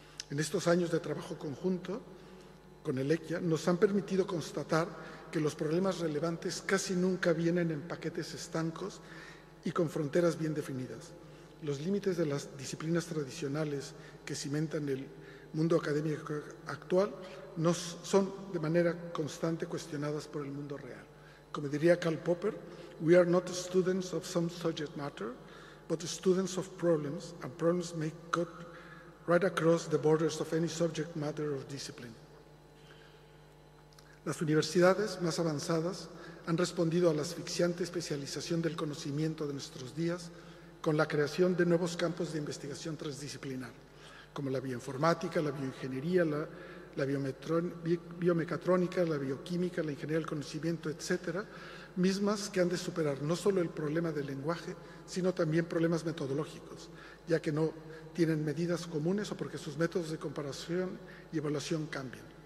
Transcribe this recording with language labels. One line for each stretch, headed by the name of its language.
Spanish: En estos años de trabajo conjunto con el LECIO nos han permitido constatar que los problemas relevantes casi nunca vienen en paquetes estancos y con fronteras bien definidas. Los límites de las disciplinas tradicionales que cimentan el mundo académico actual no son de manera constante cuestionadas por el mundo real. Como diría
English: Karl Popper, we are not students of some subject matter, but students of problems, and problems may cut right across the borders of any subject matter or discipline.
Spanish: Las universidades más avanzadas han respondido a la asfixiante especialización del conocimiento de nuestros días con la creación de nuevos campos de investigación transdisciplinar, como la bioinformática, la bioingeniería, la biomecatrónica, la bioquímica, la ingeniería del conocimiento, etcétera, mismas que han de superar no solo el problema del lenguaje, sino también problemas metodológicos, ya que no tienen medidas comunes o porque sus métodos de comparación y evaluación cambian.